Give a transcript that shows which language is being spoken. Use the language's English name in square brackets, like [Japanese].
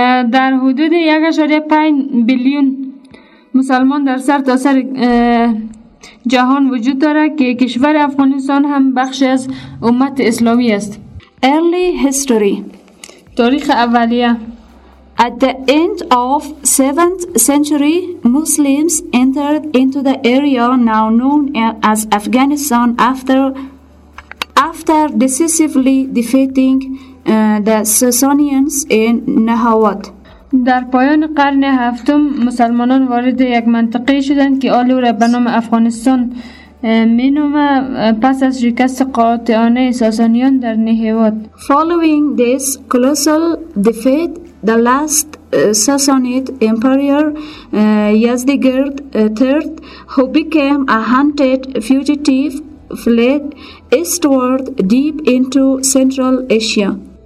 [Persian] در حدود 1.5 بیلیون مسلمان در سرتاسر جهان وجود دارد که کشور افغانستان هم بخشی از امت اسلامی است. [English] Early history. [Persian] تاریخ اولیه. [English] At the end of 7th century, Muslims entered into the area now known as Afghanistan after after decisively defeating the Sasanians in Nahawat. [Persian] در پایان قرن هفتم مسلمانان وارد یک منطقه شدند که آل او را به نام افغانستان می نامه پس از شکست قاطعانه ساسانیان در نهیوات. [English] Following this colossal defeat, the last Sassanid emperor Yazdegerd III, who became a hunted fugitive, fled eastward deep into Central Asia.